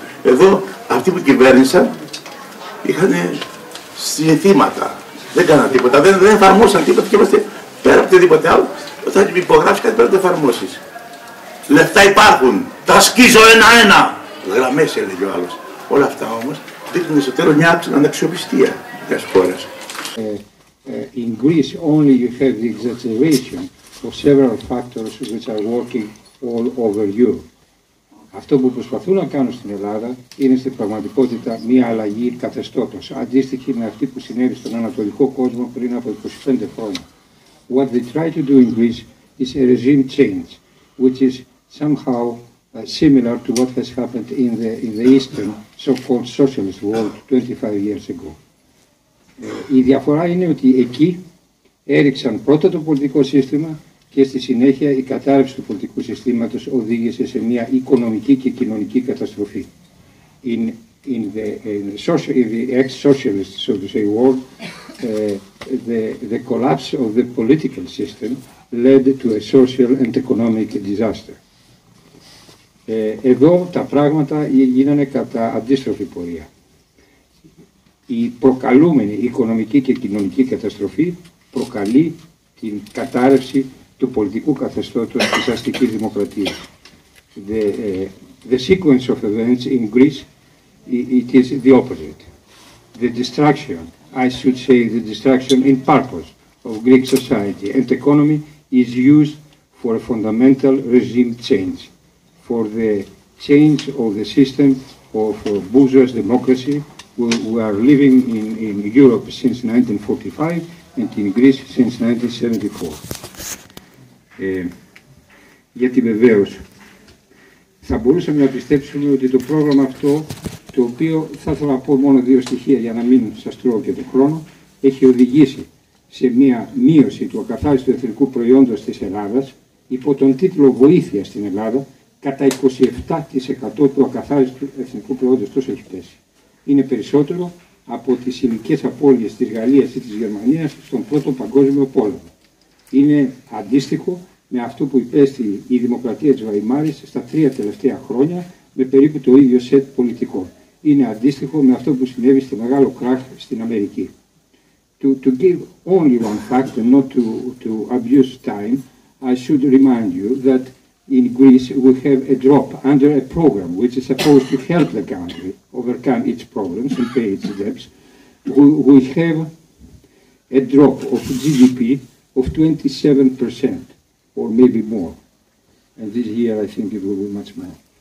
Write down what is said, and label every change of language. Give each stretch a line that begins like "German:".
Greek: Εδώ αυτοί που κυβέρνησαν είχαν συνθήματα. Δεν κάναν τίποτα, δεν εφαρμόσαν τίποτα και είμαστε πέρα από οτιδήποτε άλλο. Όταν υπογράψει κάτι πρέπει να το εφαρμόσει. Λεφτά υπάρχουν. Τα σκίζω ένα-ένα. Γραμμές έλεγε ο άλλος. Όλα αυτά όμως δείχνουν εσωτερικά μια αναξιοπιστία. μιας χώρας.
English: In Greece only you have the exaggeration of several factors which are working all over Europe.
Greek: Αυτό που προσπαθούν να κάνουν στην Ελλάδα είναι στην πραγματικότητα μια αλλαγή καθεστώτος, αντίστοιχη με αυτή που συνέβη στον Ανατολικό κόσμο πριν από 25 χρόνια.
English: What they try to do in Greece is a regime change, which is somehow similar to what has happened in the Eastern so-called socialist world 25 years ago.
Greek: Η διαφορά είναι ότι εκεί έριξαν πρώτα το πολιτικό σύστημα και στη συνέχεια η κατάρρευση του πολιτικού συστήματος οδήγησε σε μια οικονομική και κοινωνική καταστροφή.
English: In the ex-socialist, so to say, world, the collapse of the political system led to a social and economic disaster.
Greek: Εδώ τα πράγματα γίνανε κατά αντίστροφη πορεία. Η προκαλούμενη οικονομική και κοινωνική καταστροφή προκαλεί την κατάρρευση του πολιτικού καθεστώτος της αστικής δημοκρατίας.
English: The sequence of events in Greece, it is the opposite. The destruction, I should say the destruction in purpose of Greek society and economy is used for a fundamental regime change, for the change of the system of bourgeois democracy we are living in Europe since 1945 and in Greece since 1974.
Greek: Γιατί βεβαίως θα μπορούσαμε να πιστέψουμε ότι το πρόγραμμα αυτό, το οποίο θα ήθελα να πω μόνο δύο στοιχεία για να μην σας τρώω και τον χρόνο, έχει οδηγήσει σε μία μείωση του ακαθάριστου εθνικού προϊόντος της Ελλάδας υπό τον τίτλο «Βοήθεια στην Ελλάδα» κατά 27% του ακαθάριστου εθνικού προϊόντος, τόσο έχει πέσει. Είναι περισσότερο από τις ηλικές απώλειες της Γαλλίας ή της Γερμανίας στον πρώτο παγκόσμιο πόλεμο. Είναι αντίστοιχο με αυτό που υπέστη η δημοκρατία της Βαϊμάρης στα τρία τελευταία χρόνια με περίπου το ίδιο σετ πολιτικών. Είναι αντίστοιχο με αυτό που συνέβη στο μεγάλο κράχ στην Αμερική.
English: To give only one fact and not to abuse time, I should remind you that in Greece we have a drop under a program which is supposed to help the country overcome its problems and pay its debts. We have a drop of GDP of 27% or maybe more, and this year I think it will be much more.